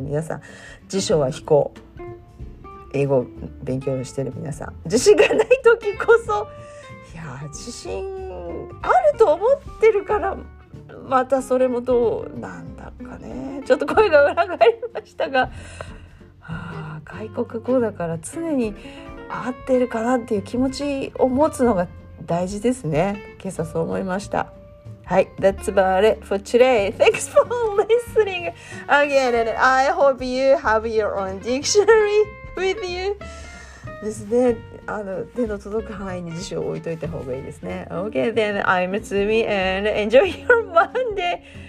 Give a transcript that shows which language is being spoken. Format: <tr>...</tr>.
<ja>皆さん、辞書は非行、英語勉強してる皆さん、自信がない時こそ、いや自信あると思ってるから、またそれもどうなんだかね。ちょっと声が裏返りましたが、外国語だから常に合ってるかなっていう気持ちを持つのが大事ですね。今朝そう思いました。はい、</ja> <en>That's about it for today. Thanks for listening again, and I hope you have your own dictionary with you</en> <ja>ですね。あの、手の届く範囲に辞書を置いといた方がいいですね。</ja> <en>Okay, then I'm Tsumi and enjoy your Monday.</en>